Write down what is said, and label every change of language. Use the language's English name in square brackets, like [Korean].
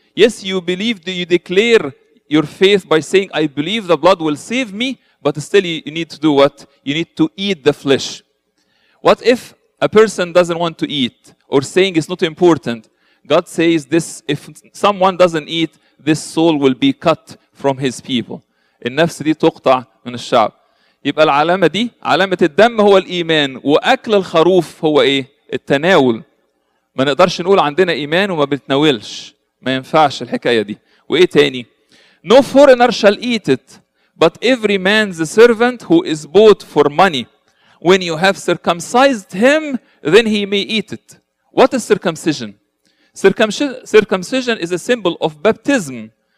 [English] Yes, you believe, you declare your faith by saying, I believe the blood will save me. But still, you need to do what? You need to eat the flesh. What if a person doesn't want to eat or saying it's not important? God says this, if someone doesn't eat, this soul will be cut from his people. [Arabic] النفس دي تقطع من الشعب. يبقى العلامة دي علامة الدم هو الإيمان وأكل الخروف هو إيه؟ التناول. ما نقدرش نقول عندنا إيمان وما بتناولش. ما ينفعش الحكاية دي. وإيه تاني؟ [English] No foreigner shall eat it. But every man's servant who is bought for money, when you have circumcised him, then he may eat it. What is circumcision? Circumcision is a symbol of baptism.